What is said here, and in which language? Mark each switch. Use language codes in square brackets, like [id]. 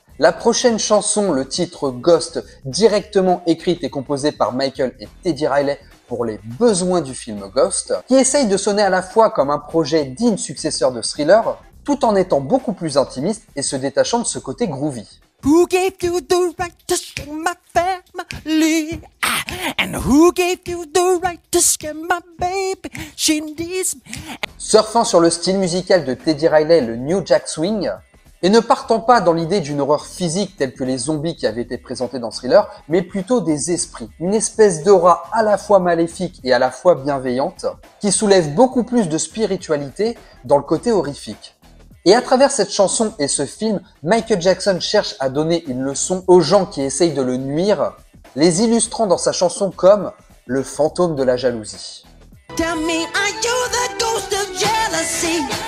[fr] La prochaine chanson, le titre Ghost, directement écrite et composée par Michael et Teddy Riley pour les besoins du film Ghost, qui essaye de sonner à la fois comme un projet digne successeur de Thriller, tout en étant beaucoup plus intimiste et se détachant de ce côté groovy. [en] Who gave you the right to scare my family? And who gave you the right to scare my baby? She needs me. [fr] Surfant sur le style musical de Teddy Riley, le New Jack Swing, et ne partant pas dans l'idée d'une horreur physique telle que les zombies qui avaient été présentés dans Thriller, mais plutôt des esprits, une espèce d'aura à la fois maléfique et à la fois bienveillante, qui soulève beaucoup plus de spiritualité dans le côté horrifique. Et à travers cette chanson et ce film, Michael Jackson cherche à donner une leçon aux gens qui essayent de le nuire, les illustrant dans sa chanson comme « le fantôme de la jalousie ». [en] Tell me, are you the ghost of jealousy?